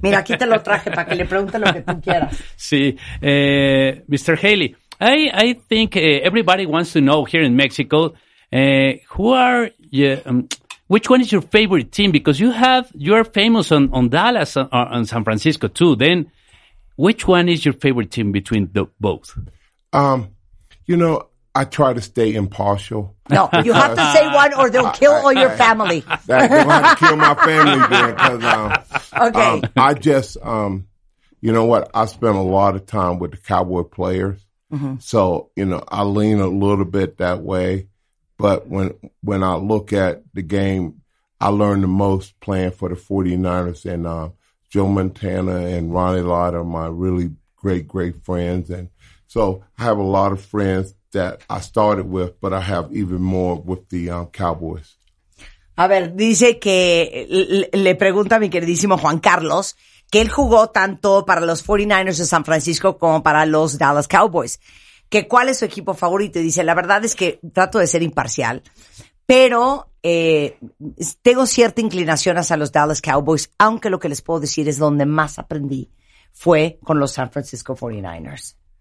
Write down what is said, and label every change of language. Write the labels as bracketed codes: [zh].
[es] Mira, aquí te lo traje para que le pregunte lo que tú quieras. Sí. Mr. [en] Haley, I think everybody wants to know here in Mexico, who are you... which one is your favorite team? Because you're famous on Dallas or on San Francisco too. Then which one is your favorite team between the both? You know, I try to stay impartial. No, you have to say one or they'll kill all your family. They'll have to kill my family then. I just, you know what? I spend a lot of time with the Cowboy players. Mm-hmm. So, you know, I lean a little bit that way. But when I look at the game, I learned the most playing for the 49ers. And Joe Montana and Ronnie Lott are my really great, great friends. And so I have a lot of friends that I started with, but I have even more with the Cowboys. [es] A ver, dice que le pregunta a mi queridísimo Juan Carlos que él jugó tanto para los 49ers de San Francisco como para los Dallas Cowboys. que cuál es su equipo favorito. Y dice, la verdad es que trato de ser imparcial, pero tengo cierta inclinación hacia los Dallas Cowboys, aunque lo que les puedo decir es donde más aprendí fue con los San Francisco 49ers.